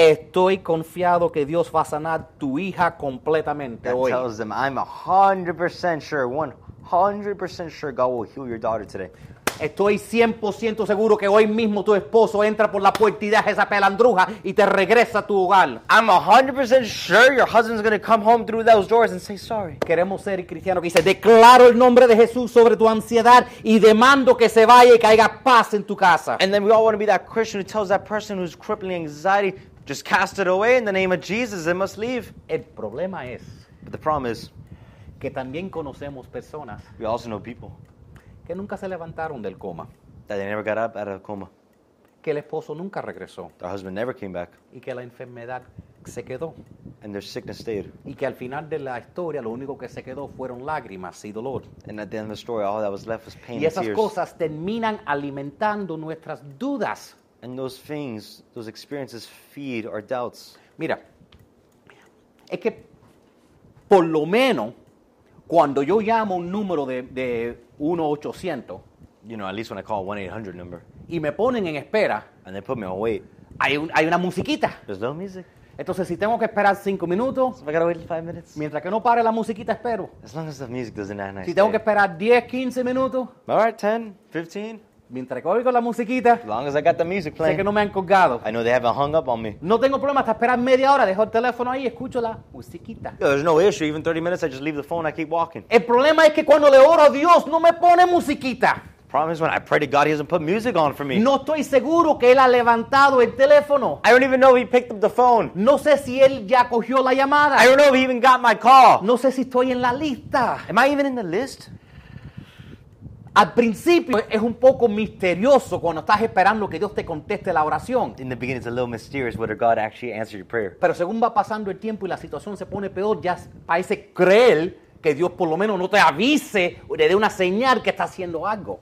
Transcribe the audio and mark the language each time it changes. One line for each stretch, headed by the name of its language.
Spanish: Estoy confiado que Dios va a sanar tu hija completamente hoy.
English: That tells them, I'm 100% sure, 100% sure God will heal your daughter today.
Spanish: Estoy 100% seguro que hoy mismo tu esposo entra por la puerta y deja esa pelandruja y te regresa a tu hogar.
English: I'm 100% sure your husband's going to come home through those doors and say sorry.
Spanish: Queremos ser cristiano que dice, declaro el nombre de Jesús sobre tu ansiedad y demando que se vaya y caiga paz en tu casa.
English: And then we all want to be that Christian who tells that person who's crippling anxiety, just cast it away in the name of Jesus, it must leave.
Spanish: El problema es,
English: but the problem is,
Spanish: que también conocemos personas.
English: We also know people.
Spanish: Que nunca se levantaron del coma.
English: That they never got up out of the coma.
Spanish: Que el esposo nunca regresó.
English: Their husband never came back.
Spanish: Y que la enfermedad se quedó.
English: And their sickness stayed.
Spanish: Y que al final de la historia lo único que se quedó fueron lágrimas y dolor.
English: And at the end of the story, all that was left was pain and tears.
Spanish: Y esas cosas terminan alimentando nuestras dudas.
English: And those things, those experiences feed our doubts.
Spanish: Mira, es que por lo menos cuando yo llamo un número de 1-800,
English: you know, at least when I call a 1-800 number,
Spanish: y me ponen en espera,
English: and they put me on wait,
Spanish: hay una musiquita.
English: There's little music.
Spanish: Entonces, si tengo que esperar 5 minutos,
English: so I gotta wait 5 minutes.
Spanish: Mientras que no pare la musiquita, espero.
English: As long as the music doesn't end, I
Spanish: si
English: stay.
Spanish: Tengo que esperar 10-15 minutos,
English: all right, 10-15.
Spanish: Mientras que oigo la musiquita,
English: as long as I got the music playing,
Spanish: sé que no me han colgado.
English: I know they haven't hung up on me.
Spanish: No tengo problema hasta esperar media hora, dejo el teléfono ahí, escucho la musiquita.
English: Yeah, there's no issue, even 30 minutes, I just leave the phone, I keep walking.
Spanish: El problema es que cuando le oro a Dios, no me pone musiquita.
English: The problem is when I pray to God, he doesn't put music on for me.
Spanish: No estoy seguro que él ha levantado el teléfono.
English: I don't even know if he picked up the phone.
Spanish: No sé si él ya cogió la llamada.
English: I don't know if he even got my call.
Spanish: No sé si estoy en la lista.
English: Am I even in the list?
Spanish: Al principio es un poco misterioso cuando estás esperando que Dios te conteste la oración.
English: In the beginning, it's a little mysterious whether God actually answered your prayer.
Spanish: Pero según va pasando el tiempo y la situación se pone peor, ya parece creer que Dios por lo menos no te avise o te dé una señal que está haciendo algo.